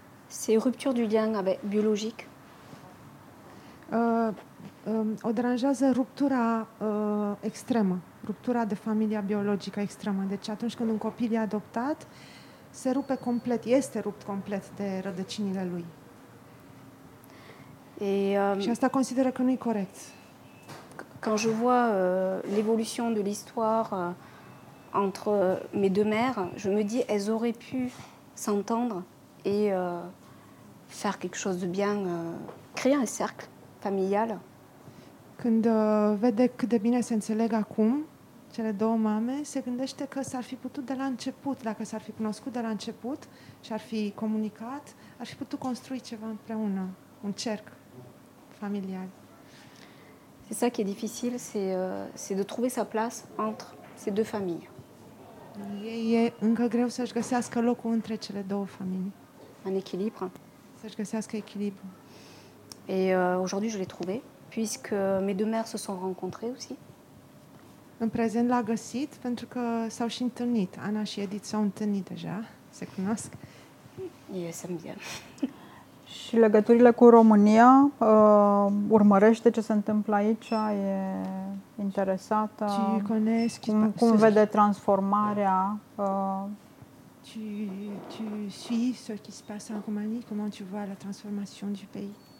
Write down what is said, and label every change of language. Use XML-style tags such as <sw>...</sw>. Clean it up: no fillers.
<fr>C'est rupture du lien avec biologique.</fr> <ro>O deranjează ruptura extremă, ruptura de familia biologică extremă. Deci atunci când un copil e adoptat, se rupe complet, este rupt complet de rădăcinile lui. Și asta consideră că nu e corect.</ro> <fr>Quand je vois l'évolution de l'histoire entre mes deux mères, je me dis elles auraient pu s'entendre et faire quelque chose de bien, créer un cercle familial.</fr> <ro>Când vede cât de bine se înțeleg acum cele două mame, se gândește că s-ar fi putut de la început, dacă s-ar fi cunoscut de la început și ar fi comunicat, ar fi putut construi ceva împreună, un cerc familial.</ro> <fr>C'est ça qui est difficile, c'est de trouver sa place entre ces deux familles.</fr> <ro>Ei e încă greu să-și găsească locul între cele două familii.</ro> <fr>Un echilibre.</fr> <ro>Să-și găsească echilibru.</ro> <fr>Et aujourd'hui je l'ai trouvé puisque mes deux mères se sont rencontrées aussi.</fr> <ro>În prezent l-a găsit pentru că s-au și întâlnit. Ana și Edith s-au întâlnit deja, se cunosc. Eu sunt bine. Și legăturile cu România, urmărește ce se întâmplă aici, e interesată. Cum vede transformarea?</ro> <fr>Tu suis ce qui se passe en Roumanie, comment tu vois la transformation du pays?</fr>